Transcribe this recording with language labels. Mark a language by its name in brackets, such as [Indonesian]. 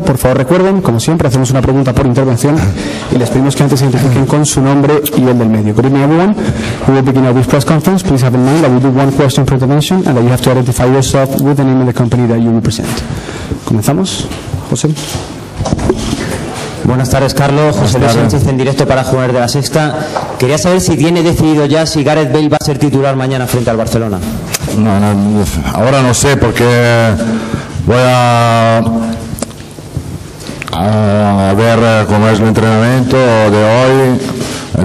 [Spanish] Por favor, recuerden, como siempre, hacemos una pregunta por intervención y les pedimos que antes se identifiquen con su nombre y el del medio. [English] Good evening, everyone. We will begin this press conference. Please have in mind that we do one question per intervention and that you have to identify yourself with the name of the company that you represent. [Spanish] Comenzamos. José. Buenas tardes, Carlos. José Luis Sánchez en directo para Jugar de la Sexta. Quería saber si tiene decidido ya si Gareth Bale va a ser titular mañana frente al Barcelona. No, ahora no sé porque voy a ver cómo es el entrenamiento de hoy.